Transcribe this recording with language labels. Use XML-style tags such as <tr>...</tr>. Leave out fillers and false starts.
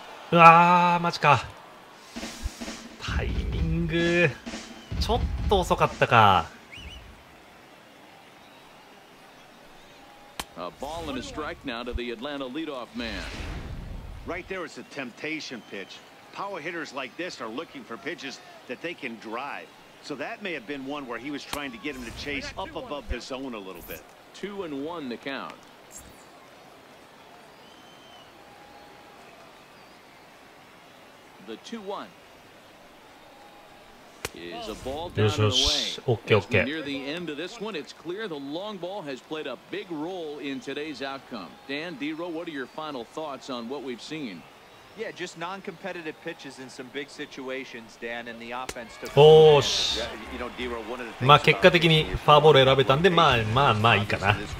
<ja>うわー、マジか。タイミング、ちょっと遅かったか。</ja> <en>A ball and a strike now to the Atlanta leadoff man. Right there is a temptation pitch. Power hitters like this are looking for pitches that they can drive. So that may have been one where he was trying to get him to chase up above the zone a little bit. 2-1 the count. The 2-1. Is a ball down and away. Okay. Near the end of this one, it's clear the long ball has played a big role in today's outcome. Dan, D-Ro, what are your final thoughts on what we've seen? Yeah, just non-competitive pitches in some big situations, Dan, and the offense to finish. You know, D-Ro, one of the things.</en> <ja>まあ結果的にファーボール選べたんで、まあまあまあいいかな。</ja>